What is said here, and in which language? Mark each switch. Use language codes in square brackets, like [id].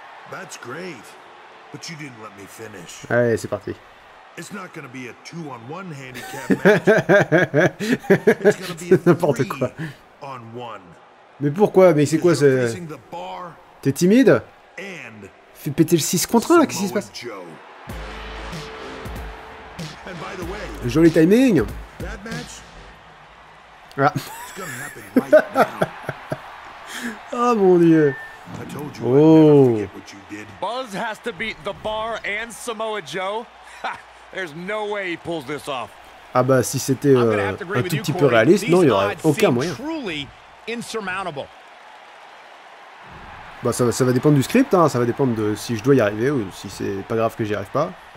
[en] That's great. But you didn't let me finish. [fr] Allez, c'est parti. [en] It's not going to be a two-on-one handicap match. It's going to be a three-on-one. [fr] Mais pourquoi? Mais c'est quoi ce... T'es timide? Fais péter le 6 contre 1, là, qu'est-ce qui se passe? Joli timing. Ah. Oh mon dieu. [en] I told you I'd never forget what you did. Buzz has to beat The Bar and Samoa Joe. There's no way he pulls this off. [fr] Ah bah si c'était un tout petit peu réaliste, non, il n'y aurait aucun moyen. [en] Truly insurmountable. [fr] Bah ça va dépendre du script, hein, ça va dépendre de si je dois y arriver ou si c'est pas grave que j'y arrive pas.